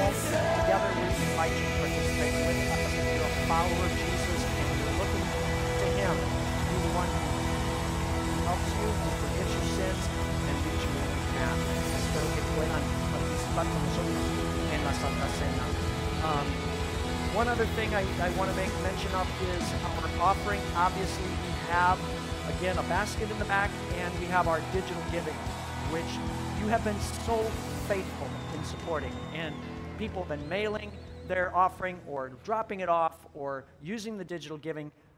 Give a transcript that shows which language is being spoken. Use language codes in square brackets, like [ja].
[en] Together we invite you to participate with us. If you're a follower of Jesus and you're looking to Him, He's the one who helps you, who forgives your sins, and leads you in the path. [es] Espero que puedan participar con nosotros en la Santa Cena. [en] One other thing I want to make mention of is our offering. Obviously, we have, again, a basket in the back, and we have our digital giving, which you have been so faithful in supporting. And people have been mailing their offering or dropping it off or using the digital giving.